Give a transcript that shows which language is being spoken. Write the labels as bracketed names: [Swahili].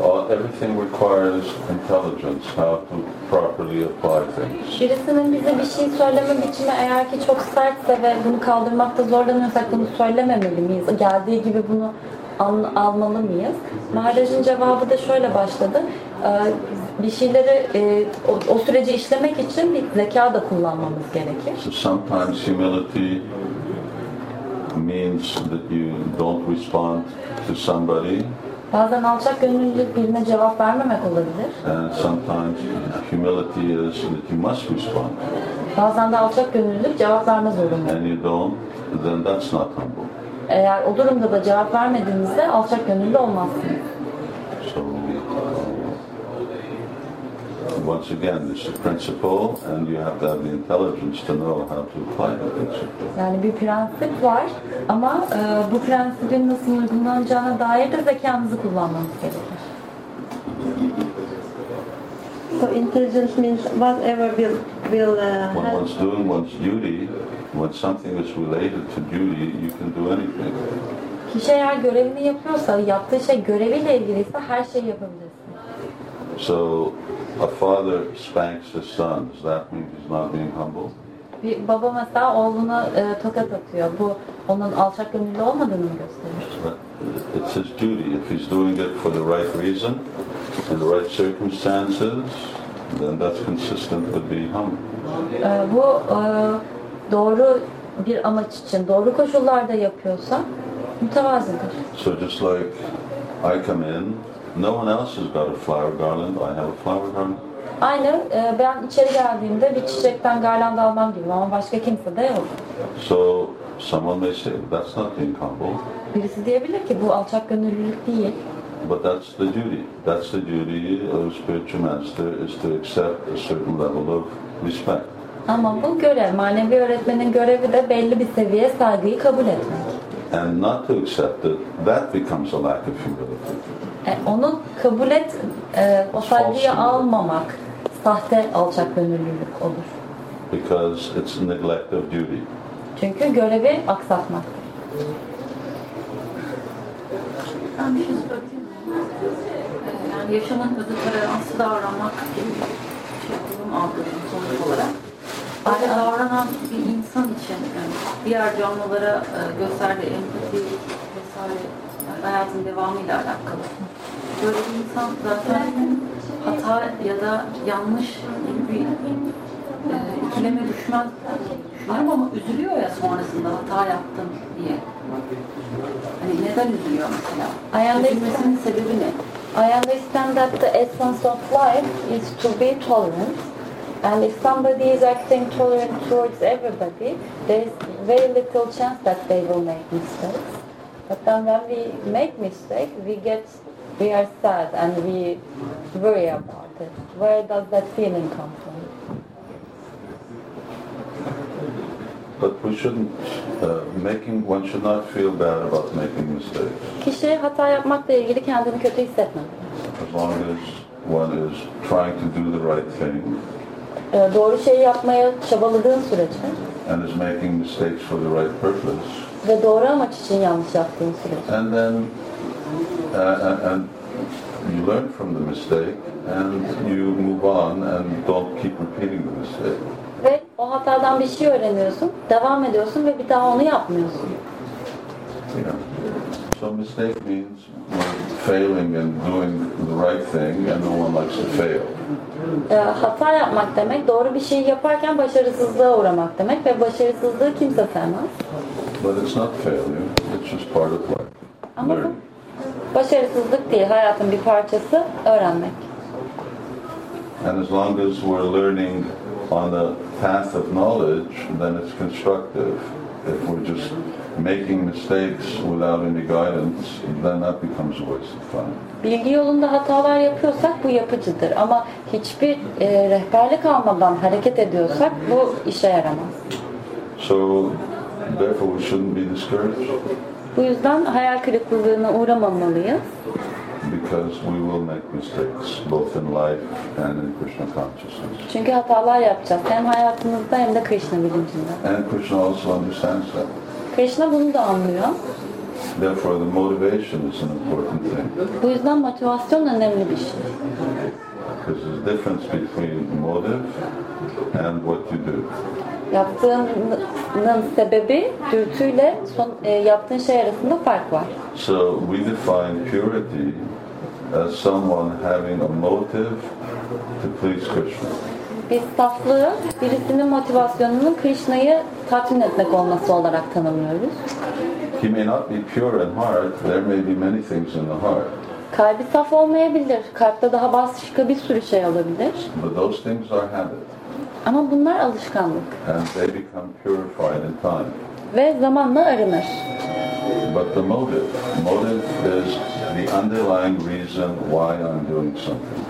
[English] Everything requires intelligence, how to properly apply things. [Turkish] Birisinin bize bir şey söyleme biçimi eğer ki çok sertse ve bunu kaldırmakta zorlanırsak bunu söylememeli miyiz? Geldiği gibi bunu almalı mıyız? Maharaj'ın cevabı da şöyle başladı. Bir şeyleri o süreci işlemek için bir zeka da kullanmamız gerekir. [English] So sometimes humility means that you don't respond to somebody. [Turkish] Bazen alçak gönüllülük birine cevap vermemek olabilir. [English] And sometimes humility is that you must respond. [Turkish] Bazen de alçak gönüllülük cevap verme zorunlu. [English] And you don't, then that's not humble. [Turkish] Eğer o durumda da cevap vermediğinizde alçak gönüllü olmazsınız. [English] So, once again, it's a principle, and you have to have the intelligence to know how to apply the principle. [Turkish] Yani bir prensip var, ama bu prensibin nasıl uygulanacağına dair de zekanızı kullanmanız gerekir. [English] So intelligence means whatever will help. When one's doing one's duty, when something is related to duty, you can do anything. [Turkish] Kişi eğer görevini yapıyorsa, yaptığı şey göreviyle ilgiliyse her şeyi yapabilirsin. [English] So a father spanks his son. Does that mean he's not being humble? [Turkish] Bir baba mesela oğluna tokat atıyor. Bu onun alçak gönüllü olmadığını mı gösterir? [English] It's his duty. If he's doing it for the right reason, in the right circumstances, then that's consistent with being humble. [Turkish] Bu doğru bir amaç için, doğru koşullarda yapıyorsa mütevazıdır. [English] So just like I come in, no one else has got a flower garland. I have a flower garland. [Turkish] Aynı, ben içeri geldiğimde bir çiçekten garland almam gibi ama başka kimse de yok. [English] So someone may say that's not being humble. [Turkish] Birisi diyebilir ki bu alçak gönüllülük değil. [English] But that's the duty. That's the duty of a spiritual master is to accept a certain level of respect. [Turkish] Ama bu görev, manevi öğretmenin görevi de belli bir seviye saygıyı kabul etmek. [English] And not to accept it, that becomes a lack of humility. [Turkish] Onu kabul et, o saygıyı almamak sahte alçak gönüllülük olur. [English] Because it's a neglect of duty. [Turkish] Çünkü görevi aksatmak. Yaşamın hızlıları aslında davranmak gibi durum algıladım sonuç olarak. Böyle davranan bir insan için yani diğer canlılara gösterdiği empati vesaire hayatın devamıyla alakalı. Böyle bir insan zaten hata ya da yanlış gibi ikileme düşmez ama üzülüyor ya sonrasında hata yaptım diye. Hani neden üzülüyor mesela? Üzülmesinin sebebi ne? [English] I understand that the essence of life is to be tolerant. And if somebody is acting tolerant towards everybody, there is very little chance that they will make mistakes. But then when we make mistakes, we are sad and we worry about it. Where does that feeling come from? But we shouldn't one should not feel bad about making mistakes. [Turkish] Kişi hata yapmakla ilgili kendini kötü hissetmemeli. [English] As long as one is trying to do the right thing. [Turkish] Doğru şeyi yapmaya çabaladığın sürece. [English] And is making mistakes for the right purpose. [Turkish] Ve doğru amaç için yanlış yaptığın sürece. [English] And then and you learn from the mistake and you move on and don't keep repeating the mistake. [Turkish] Ve o hatadan bir şey öğreniyorsun, devam ediyorsun ve bir daha onu yapmıyorsun. [English] Yeah. So mistake means failing and doing the right thing, and no one likes to fail. [Turkish] Hata yapmak demek, doğru bir şeyi yaparken başarısızlığa uğramak demek ve başarısızlığı kimse sevmez. [English] But it's not failure, it's just part of life. [Turkish] Ama bu başarısızlık değil, hayatın bir parçası, öğrenmek. [English] And as long as we're learning on the path of knowledge, then it's constructive. If we're just making mistakes without any guidance, then that becomes a waste of time. [Turkish] Bilgi yolunda hatalar yapıyorsak bu yapıcıdır. Ama hiçbir rehberlik almadan hareket ediyorsak bu işe yaramaz. [English] So, therefore we shouldn't be discouraged. [Turkish] Bu yüzden hayal kırıklığına uğramamalıyız. [English] Because we will make mistakes both in life and in Krishna consciousness. [Turkish] Çünkü hatalar yapacağız hem hayatımızda hem de Krishna bilincinde. [English] And Krishna also understands that. [Turkish] Krishna bunu da anlıyor. [English] Therefore, the motivation is an important thing. [Turkish] Bu yüzden motivasyon önemli bir şey. [English] Because there's a difference between motive and what you do. [Turkish] Yaptığının sebebi dürtüyle son yaptığın şey arasında fark var. [English] So we define purity as someone having a motive to please Krishna. [Turkish] Biz saflığı birisinin motivasyonunun Krishna'yı tatmin etmek olması olarak tanımlıyoruz. [English] He may not be pure in heart. There may be many things in the heart. [Turkish] Kalbi saf olmayabilir. Kalpte daha başka bir sürü şey olabilir. [English] But those things are habit. [Turkish] Ama bunlar alışkanlık. [English] And they become purified in time. [Turkish] Ve zamanla arınır. [English] But the motive is the underlying reason why I'm doing something.